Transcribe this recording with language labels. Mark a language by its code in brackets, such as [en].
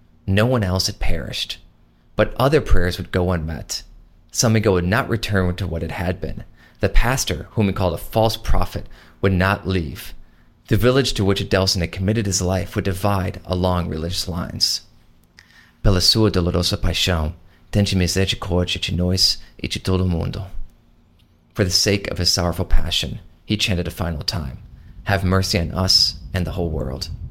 [en] No one else had perished. But other prayers would go unmet. San Miguel would not return to what it had been. The pastor, whom he called a false prophet, would not leave. The village to which Adelson had committed his life would divide along religious lines. [pt] Pela sua dolorosa paixão, tente misericórdia de nós e de todo mundo. [en] For the sake of his sorrowful passion, he chanted a final time, have mercy on us and the whole world.